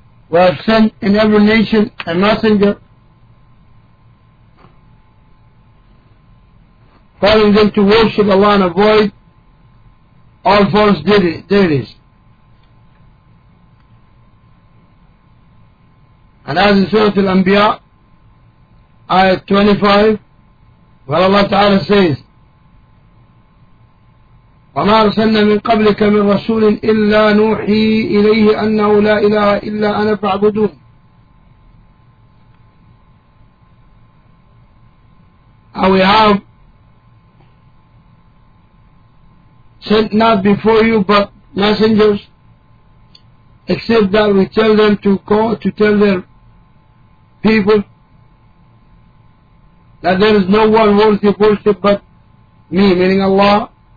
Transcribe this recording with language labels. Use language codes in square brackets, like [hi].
[en] We have sent in every nation a messenger calling them to worship Allah and avoid all false deities. And as in Surah Al-Anbiya, ayah 25, where Allah Ta'ala says, [ar] وَمَا أَرْسَلْنَا مِنْ قَبْلِكَ مِنْ رَسُولٍ إِلَّا نُوحِي إِلَيْهِ أَنَّهُ لَا إِلَهَ إِلَّا أَنَا فَاعْبُدُونِ. [en] We have sent not before you but messengers, except that we tell them to call, to tell their people, that there is no one worthy of worship but me, meaning Allah.